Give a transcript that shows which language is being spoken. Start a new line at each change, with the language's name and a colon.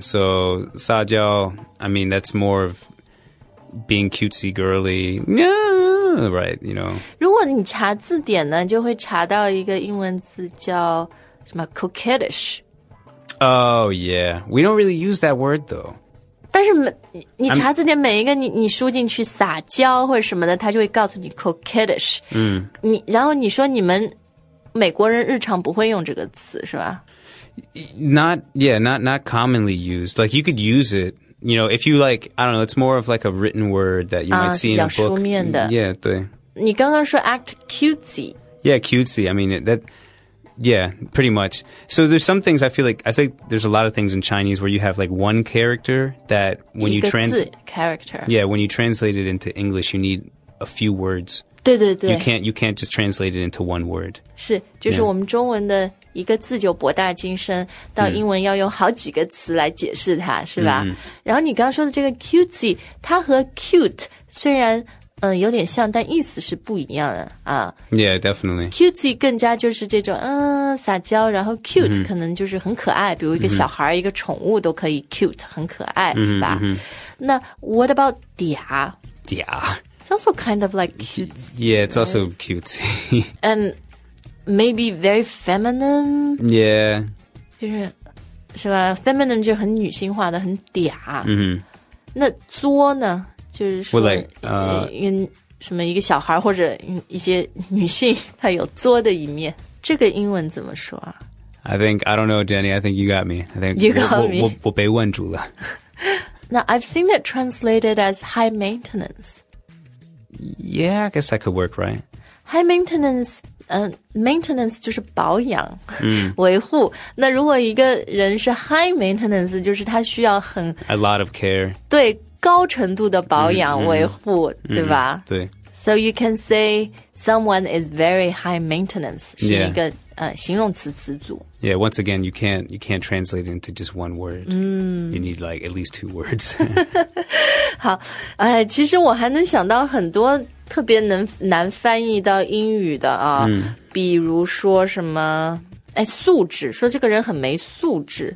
English: So 撒娇， I mean, that's more of being cutesy girly. Yeah, right, you know.
Chinese: 如果你查字典呢，就会查到一个英文字叫什么 coquettish。
English: Oh, yeah. We don't really use that word, though.
Chinese: 但是你查字典每一个你输进去撒娇或者什么的，他就会告诉你 coquettish. 嗯，你然后你说你们美国人日常不会用这个词是吧？
English: Not commonly used. Like, you could use it, you know, if you like, I don't know, it's more of like a written word that you might see in a book.
Chinese: 比较书面的。 Yeah, 对。你刚刚说
English: act cutesy. Yeah, cutesy. I mean, that... Yeah, pretty much. So there's some things I feel like, I think there's a lot of things in Chinese where you have like one character that when you translate... character. Yeah, when you translate it into English, you need a few words.
Chinese: 对对对。
English: You can't just translate it into one word.
Chinese: 是,就是我们中文的一个字就博大精深,到英文要用好几个词来解释它,是吧? 然后你刚说的这个 cutesy, 它和 cute 虽然有点像，但意思是不一样的啊。
English: Yeah, definitely.
Chinese: Cutesy 更加就是这种撒娇，然后 cute、mm-hmm. 可能就是很可爱，比如一个小孩、mm-hmm. 一个宠物都可以 cute, 很可爱、 mm-hmm. 是吧、 mm-hmm. 那
English: what about
Chinese: 嗲？嗲。
English: It's also kind of like cutesy. Yeah, it's also cutesy. And maybe very feminine? Yeah.
Chinese: 就是，是吧？ Feminine 就很女性化的，很嗲。 Mm-hmm. 那作呢？就是说
English: well, like,
Chinese: 什么一个小孩或者一些女性她有作的一面，这个英文怎么说啊？
English: I think, I don't know, Jenny, I think you got me. I think you got me.
Chinese: 我被问住了。
English: Now, I've seen it translated as high maintenance. Yeah, I guess that could work, right?
Chinese: High maintenance, maintenance 就是保养、 mm. 维护。那如果一个人是 high maintenance, 就是他需要很
English: a lot of care.
Chinese: 对。高程度的保养维护、mm-hmm. 对吧、mm-hmm. 对。
English: So you can say someone is very high maintenance、 yeah.
Chinese: 是一个形容词词组。
English: Yeah, once again, you can't translate it into just one word.、 Mm. You need like at least two words.
Chinese: 好、其实我还能想到很多特别难翻译到英语的啊、 mm. 比如说什么素质，说这个人很没素质。